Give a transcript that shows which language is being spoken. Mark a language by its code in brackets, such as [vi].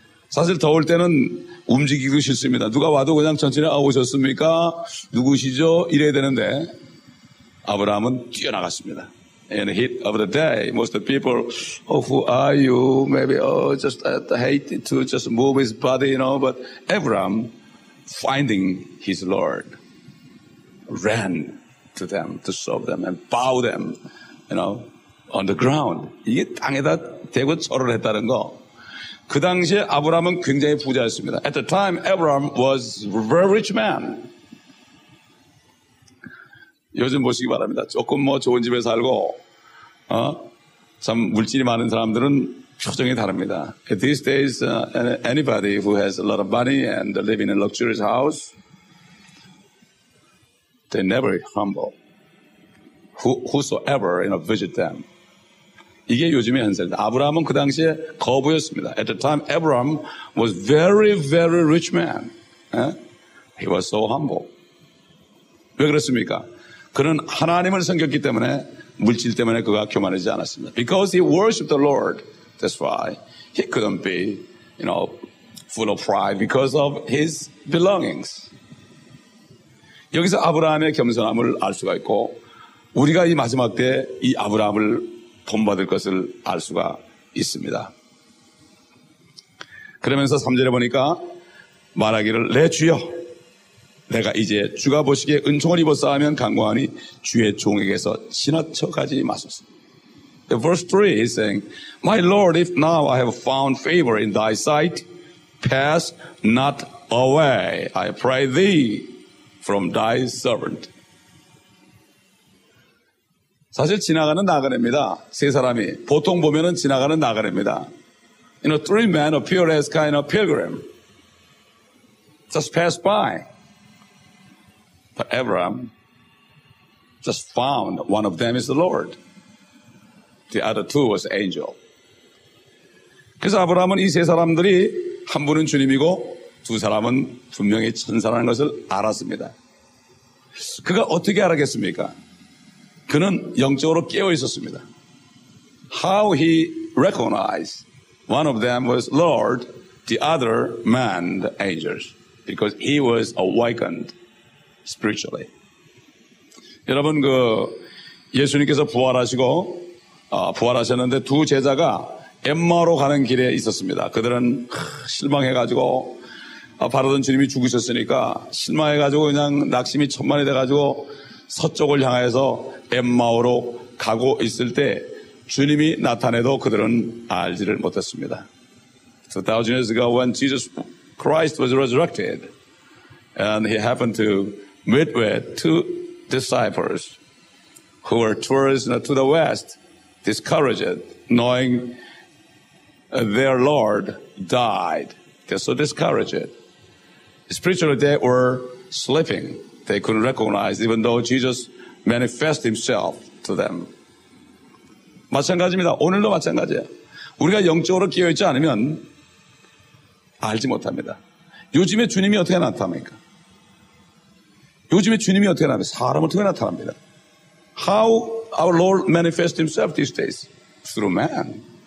[ko] 사실 더울 때는 움직이기도 싫습니다. 누가 와도 그냥 천천히 오셨습니까? 누구시죠? 이래야 되는데 아브라함은 뛰어나갔습니다. [en] In the heat of the day, most of the people, oh, who are you? Maybe, oh, just hate to just move his body, you know, but Abraham finding his Lord. Ran to them, to serve them, and bow them, you know, on the ground. [ko] 이게 땅에다 대고 절을 했다는 거. 그 당시에 아브라함은 굉장히 부자였습니다. [en] At the time, Abraham was a very rich man. [ko] 요즘 보시기 바랍니다. 조금 뭐 좋은 집에 살고, 참 물질이 많은 사람들은 표정이 다릅니다. [en] These days, anybody who has a lot of money and live in a luxurious house, They never humble. Whosoever, you know, visit them. [ko] 이게 요즘의 현실입니다. 아브라함은 그 당시에 거부였습니다. [en] At the time, Abraham was very, very rich man. He was so humble. [ko] 왜 그랬습니까? 그는 하나님을 섬겼기 때문에, 물질 때문에 그가 교만하지 않았습니다. [en] Because he worshiped the Lord. That's why he couldn't be, you know, full of pride because of his belongings. [ko] 여기서 아브라함의 겸손함을 알 수가 있고 우리가 이 마지막 때 이 아브라함을 본받을 것을 알 수가 있습니다. 그러면서 3절에 보니까 말하기를 내 주여 내가 이제 주가 보시기에 은총을 입었사하면 간구하니 주의 종에게서 지나쳐가지 마소서. [en] Verse 3 is saying, My Lord, if now I have found favor in thy sight, pass not away, I pray thee. From thy servant. [ko] 사실 지나가는 나그네입니다. 세 사람이 보통 보면은 지나가는 나그네입니다. [en] You know, three men appear as kind of pilgrim. Just pass by. But Abraham just found one of them is the Lord. The other two was angel. [ko] 그래서 아브라함은 이 세 사람들이 한 분은 주님이고 두 사람은 분명히 천사라는 것을 알았습니다. 그가 어떻게 알았겠습니까? 그는 영적으로 깨어 있었습니다. [en] How he recognized one of them was Lord, the other man, the angels, because he was awakened spiritually. [ko] 여러분, 그 예수님께서 부활하시고 부활하셨는데 두 제자가 엠마오로 가는 길에 있었습니다. 그들은 실망해가지고 바라던 주님이 죽으셨으니까 실망해가지고 그냥 낙심이 천만이 돼가지고 서쪽을 향해서 엠마오로 가고 있을 때 주님이 나타내도 그들은 알지를 못했습니다. [en] So thousand years ago when Jesus Christ was resurrected and he happened to meet with two disciples who were tourists to the west discouraged knowing their Lord died. They're so discouraged. Spiritually, they were sleeping. They couldn't recognize, even though Jesus manifested himself to them. [ko] 마찬가지입니다. 오늘도 마찬가지예요. 우리가 영적으로 깨어있지 않으면 알지 못합니다. 요즘에 주님이 어떻게 나타납니까? 요즘에 주님이 어떻게 나타납니까? 사람을 어떻게 나타납니다. [en] How our Lord manifests himself these days? Through man.